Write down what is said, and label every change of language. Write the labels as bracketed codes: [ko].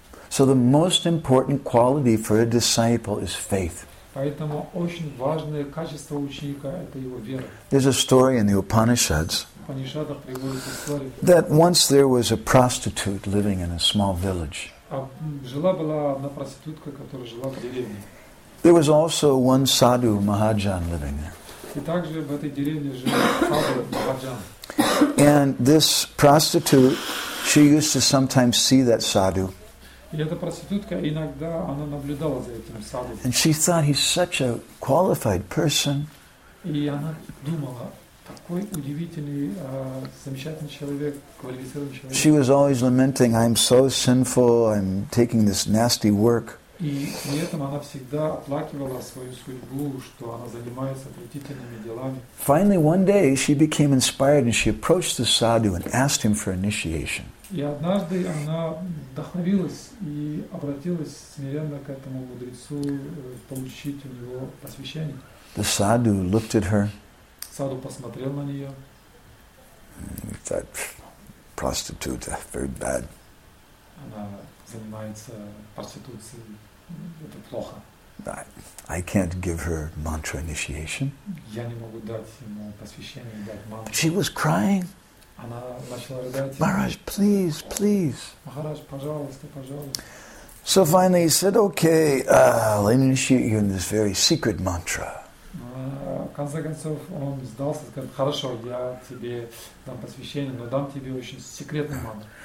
[en] So the most important quality for a disciple is faith. [ru] Поэтому очень важное качество ученика – это его вера. [en] There's a story in the Upanishads. [ru] В Упанишадах приводится история. [en] That once there was a prostitute living in a small village. [ru] Жила была одна проститутка, которая жила в деревне. [en] There was also one sadhu Mahajan living there. [ru] И также в этой деревне жил саду Mahajan. [en] And this prostitute, she used to sometimes see that sadhu. [ru] И эта проститутка иногда она наблюдала за этим саду. [en] And she thought he's such a qualified person. [ru] И она думала, такой удивительный, замечательный человек, квалифицированный человек. [en] She was always lamenting, I'm so sinful, I'm taking this nasty work. [ru] И при этом она всегда оплакивала свою судьбу, что она занимается отвратительными делами. [en] Finally, one day, she became inspired and she approached the sadhu and asked him for initiation. [ru] И однажды она вдохновилась и обратилась смиренно к этому мудрецу получить у него посвящение. [en] The sadhu looked at her. [ru] Саду посмотрел на нее. [en] That prostitute, very bad. [ru] Она занимается проституцией. Это плохо. [en] I can't give her mantra initiation. [ru] Я не могу дать ему посвящение, дать мантру. [en] But she was crying. [ru] Она начала рыдать. [en] Maharaj, please, please. [ru] Maharaj, пожалуйста, пожалуйста. [en] So finally he said, okay, I'll initiate you in this very secret mantra. [ru] В конце концов, он сдался, сказал, хорошо, я тебе дам посвящение, но дам тебе очень секретную мантру.